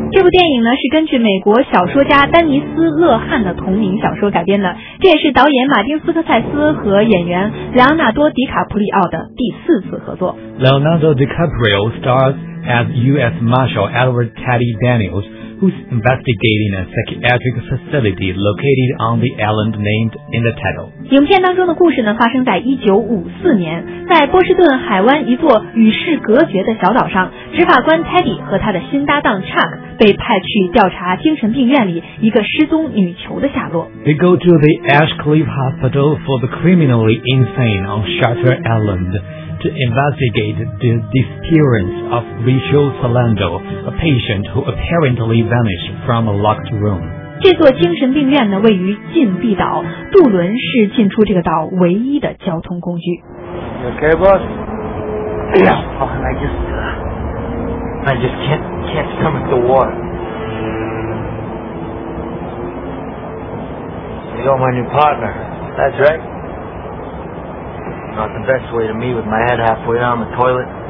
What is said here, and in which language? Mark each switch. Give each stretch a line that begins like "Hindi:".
Chinese: 电影呢是根据美国小说家丹尼斯·勒汉的同名小说改编的，这也是导演马丁·斯科塞斯和演员莱昂纳多·迪卡普里奥的第四次合作。
English: Leonardo DiCaprio stars as U.S. Marshal Edward Teddy Daniels, who's investigating a psychiatric facility located on the island named in the title.
Chinese: 影片当中的故事呢发生在1954年，在波士顿海湾一座与世隔绝的小岛上，执法官 Teddy 和他的新搭档 Chuck被派去调查精神病院里一个失踪女囚的下落。
English: They go to the Ashcliff Hospital for the criminally insane on Shutter Island to investigate the disappearance of Rachel Salando, a patient who apparently vanished from a locked room.
Chinese: 这座精神病院呢位于禁闭岛，渡轮是进出这个岛唯一的交通工具。
English: You okay, boss? Yeah, oh, and I just can't stomach the water. You got my new partner. That's right. Not the best way to meet with my head halfway on the toilet.